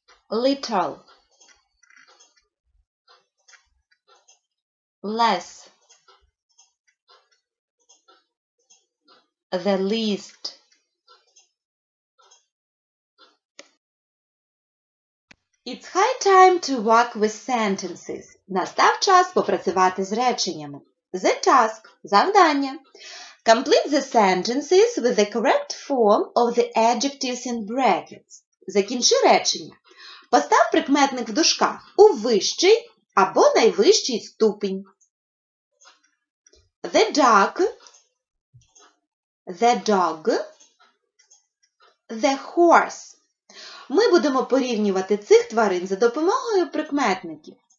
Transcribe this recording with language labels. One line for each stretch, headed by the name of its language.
English: «Little» – «less» – «the least». It's high time to work with sentences.
Ukrainian: Настав час попрацювати з реченнями.
English: The task – завдання. Complete the sentences with the correct form of the adjectives in brackets.
Ukrainian: Закінчи речення. Постав прикметник в дужках у вищий або найвищий ступінь.
English: The dog, the dog, the horse.
Ukrainian: Ми будемо порівнювати цих тварин за допомогою прикметників.